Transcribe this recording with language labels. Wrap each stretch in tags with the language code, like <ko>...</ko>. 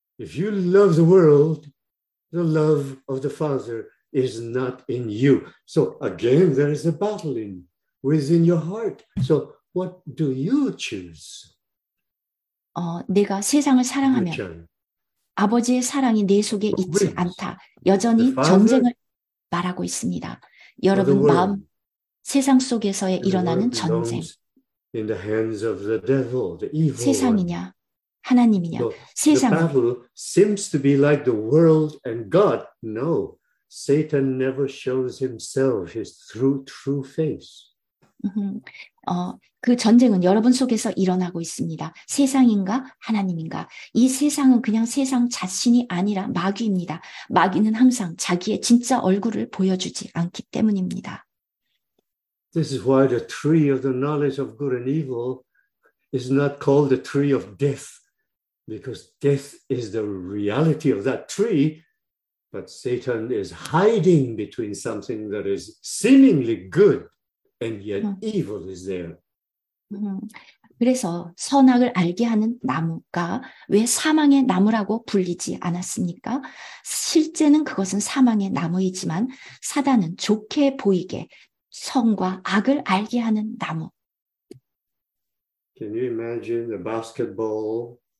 <en>If you love the world, the love of the Father is not in you. So again, there is a battle in within your heart. So what do you choose?</en> <ko>내가 세상을 사랑하면 아버지의 사랑이 내 속에 있지 않다. 여전히 전쟁을 말하고 있습니다. 여러분 마음. 세상 속에서의 일어나는 전쟁.</ko> <en>In the hands of the devil, the evil</en> <ko>세상이냐, 하나님이냐, so 세상은.</ko> <en>The battle seems to be like the world and God. No, Satan never shows himself his true face.</en> <ko>그 전쟁은 여러분 속에서 일어나고 있습니다. 세상인가, 하나님인가. 이 세상은 그냥 세상 자신이 아니라 마귀입니다. 마귀는 항상 자기의 진짜 얼굴을 보여주지 않기 때문입니다.</ko> <en>This is why the tree of the knowledge of good and evil is not called the tree of death, because death is the reality of that tree, but Satan is hiding between something that is seemingly good and yet evil is there.</en> <ko>그래서 선악을 알게 하는 나무가 왜 사망의 나무라고 불리지 않았습니까? 실제는 그것은 사망의 나무이지만 사단은 좋게 보이게 선과 악을 알게 하는 나무.</ko> <en>Can you imagine a basketball?</en>